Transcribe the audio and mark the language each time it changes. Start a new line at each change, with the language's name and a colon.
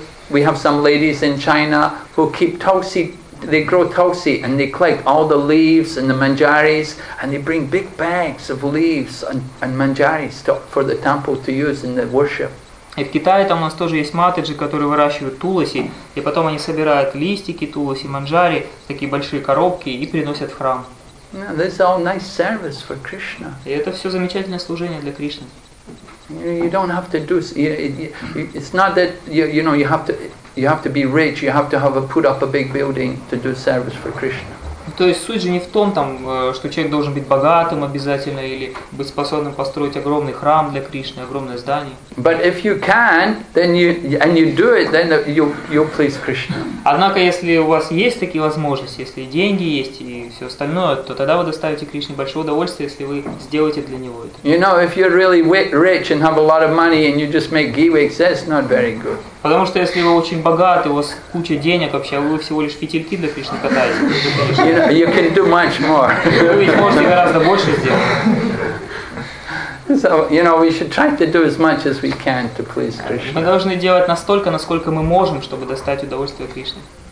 English: We have some ladies in China who keep tulsi, they grow tulsi, and they collect all the leaves and the manjaris, and they bring big bags of leaves and manjaris for the temple to use in the worship.
Russian: И в Китае там у нас тоже есть матаджи, которые выращивают туласи, и потом они собирают листики туласи, манджари, такие большие коробки, и приносят в храм.
English: Yeah, this is all nice service for Krishna.
Russian: И это все замечательное служение для Кришны.
English: You don't have to do. It's not that you have to be rich. You have to have put up a big building to do service for Krishna.
Russian: То есть суть же не в том, там, что человек должен быть богатым обязательно или быть способным построить огромный храм для Кришны, огромное здание.
English: But if you can, then you do it, then you please Krishna.
Russian: Однако, если у вас есть такие возможности, если деньги есть и все остальное, то тогда вы доставите Кришне большое удовольствие, если вы сделаете для него это.
English: You know, if you're really rich and have a lot of money and you just make ghee-wicks, that's not very good.
Russian: Потому что если вы очень богаты, у вас куча денег вообще, а вы всего лишь фитильки для Кришны катаете.
English: You can do much more.
Russian: Вы ведь можете гораздо больше сделать.
English: So, you know, we should try to do as much as we can to please Krishna.
Russian: Мы должны делать настолько, насколько мы можем, чтобы достать удовольствие Кришне.